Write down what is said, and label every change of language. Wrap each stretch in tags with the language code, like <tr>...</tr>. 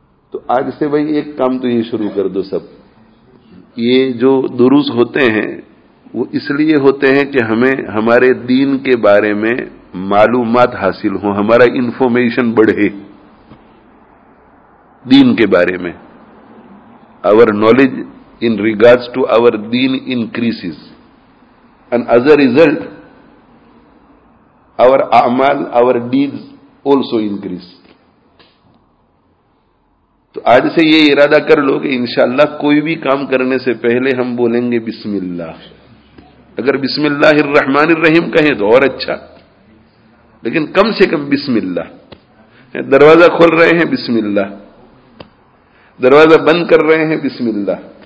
<ur>تو آج سے بھائی ایک کام تو یہ شروع کر دو سب. یہ جو دروس ہوتے ہیں وہ اس لیے ہوتے ہیں کہ ہمیں ہمارے دین کے بارے میں معلومات حاصل ہوں، ہمارا انفارمیشن بڑھے دین کے بارے میں.</ur> <en>Our knowledge in regards to our deen increases and as a result our اعمال our deeds also increase.</en> <ur>تو آج سے یہ ارادہ کر لو کہ انشاءاللہ کوئی بھی کام کرنے سے پہلے ہم بولیں گے بسم اللہ. اگر بسم اللہ الرحمن الرحیم کہیں تو اور اچھا، لیکن کم سے کم بسم اللہ. دروازہ کھول رہے ہیں بسم اللہ، دروازہ بند کر رہے ہیں بسم اللہ.</ur>